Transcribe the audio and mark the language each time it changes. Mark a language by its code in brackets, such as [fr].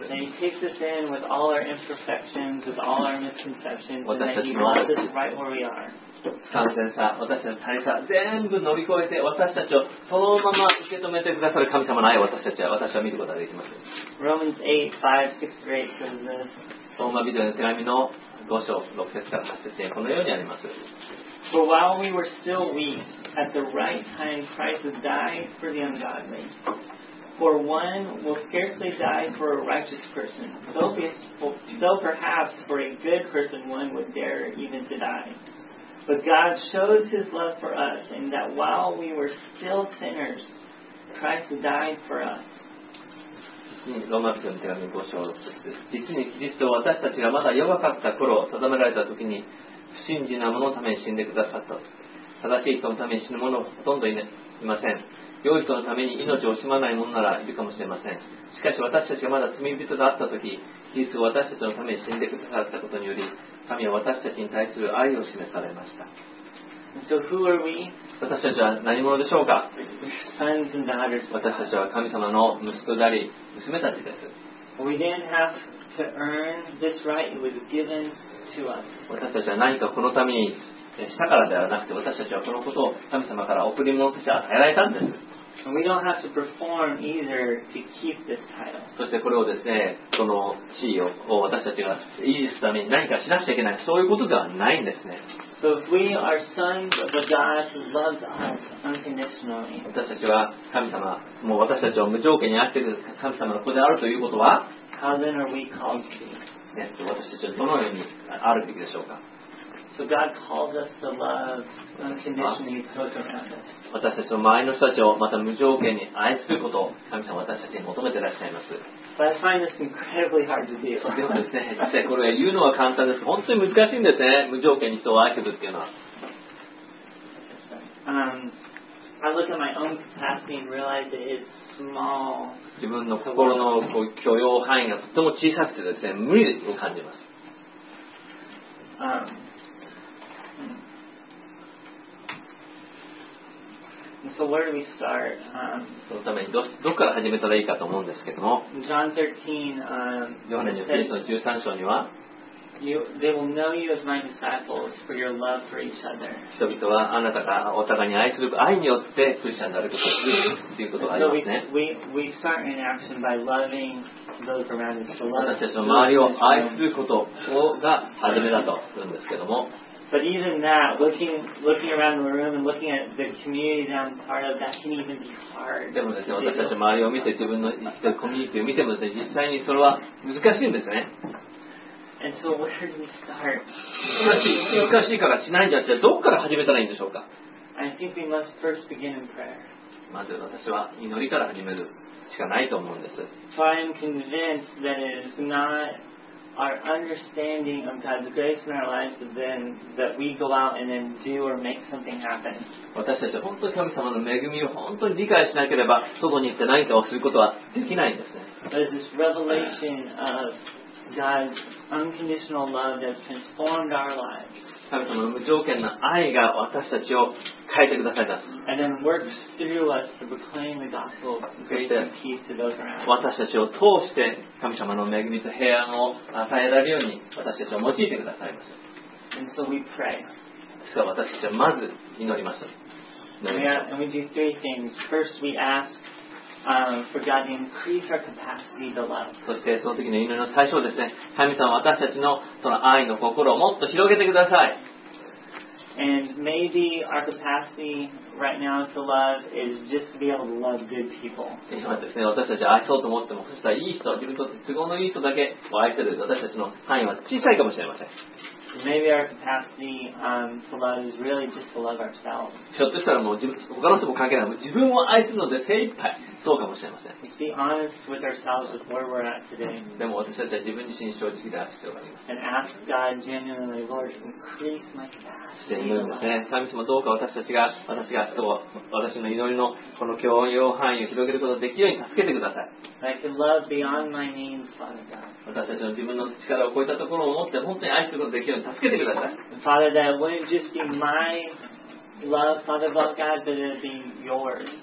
[ja] 私たちの完全さ、私たちの足りさ、全部乗り越えて私たちをそのまま受け止めてくださる神様の愛を私は見ることができます。 [en] Romans [ja] 8, 5, 6, 8, ローマ人への手紙の5章6節から8節にこのようにあります。 [en] For while we were still weak, at the right time Christ died for the ungodly. For one will scarcely die for a righteous person, though perhaps for a good person one would dare even to die. But God shows his love for us in that while we were still sinners, Christ died for us. [ja] ローマ人の手紙5章6節です。実にキリストは私たちがまだ弱かった頃、定められた時に不信心な者のために死んでくださった。正しい人のために死ぬ者はほとんどいません。良い人のために命を惜しまない者ならいるかもしれません。しかし私たちがまだ罪人であった時、キリストは私たちのために死んでくださったことにより、神は私たちに対する愛を示されました。 [en] So who are we? [ja] 私たちは何者でしょうか。 [en] Sons and daughters. [ja] 私たちは神様の息子であり娘たちです。 [en] We didn't have to earn this right. It was given to us. [ja] 私たちは何かこのためにしたからではなくて、私たちはこのことを神様から贈り物として与えられたんです。 [en] And we don't have to perform either to keep this title. [ja] そしてこれをですね、この地位を私たちが維持するために何かしなくちゃいけない、そういうことではないんですね。 [en] So if we are sons of a God who loves us unconditionally, [ja] 私たちは神様、もう私たちを無条件に愛している神様の子であるということは、 [en] how then are we called to be? [ja] 私たちはどのようにあるべきでしょうか。 [en] So God calls us to love unconditionally to us. [ja] 私たちの周りの人たちをまた無条件に愛することを神様は私たちに求めていらっしゃいます。 [en] But I find this incredibly hard to do. [ja] でもですね、実際これは言うのは簡単です。本当に難しいんですね、無条件に人を愛するっていうのは。 [en] I look at my own capacity and realize that it's small. [ja] 自分の心の許容範囲がとても小さくてですね、無理を感じます。 [en] So where do we start? [ja] そのためにどこから始めたらいいかと思うんですけども、 [en] John 13, [ja] ヨハネのキリストの13章には、 [en] They will know you as my disciples for your love for each other. [ja] 人々はあなたがお互いに愛する愛によってクリスチャンになることを知るということがありますね。 [en] We start in action by loving those around us. [ja] 私たちの周りを愛することが始めだとするんですけども。 [en] But even that, looking around the room and looking at the community that I'm part of, that can even be hard. [ja] でもですね、私たち周りを見て自分の生きているコミュニティを見てもですね、実際にそれは難しいんですね。 [en] And so where do we start? [ja] 難しいからしないんじゃなくて、どこから始めたらいいんでしょうか。 [en] I think we must first begin in prayer. [ja] まず私は祈りから始めるしかないと思うんです。 [en] So I am convinced that it is not... our understanding of God's grace in our lives is then that we go out and then do or make something happen. [ja] 私たちは本当に神様の恵みを本当に理解しなければ、外に行って何かをすることはできないんですね。 [en] There's this revelation of God's unconditional love that's transformed our lives. [ja] 神様の無条件の愛が私たちを変えてくださいます。 [en] And then works through us to proclaim the gospel of grace and peace to those around us. [ja] 私たちを通して神様の恵みと平安を与えられるように私たちを用いてくださいます。 [en] And so we pray. [ja] そう、私たちはまず祈ります。 [en] And we do three things. First, we ask for God to increase our capacity to love. [ja] そしてその時の祈りの対象ですね。神様、私たちのその愛の心をもっと広げてください。 [en] And maybe our capacity right now to love is just to be able to love good people. [ja] 今ですね、私たち愛そうと思っても、そしたらいい人、自分と都合のいい人だけを愛している私たちの範囲は小さいかもしれません。 [en] Maybe our capacity to love is really just to love ourselves. [ja] ひょっとしたらもう自分、他の人も関係ない、自分を愛するので精一杯、そうかもしれません。 [en] Let's be honest with ourselves with where we're at today. [ja] でも私たちは自分自身正直である必要があります。 [en] And ask God genuinely, Lord, increase my capacity. [ja] 神様、どうか私たちが人を、私の祈りのこの共用範囲を広げることができるように助けてください。 [en] I can love beyond my means, Father God. [ja] 私たちの自分の力を超えたところを持って本当に愛することができるように助けてください。 [en] Father, that wouldn't just be my love, Father God, but it would be yours.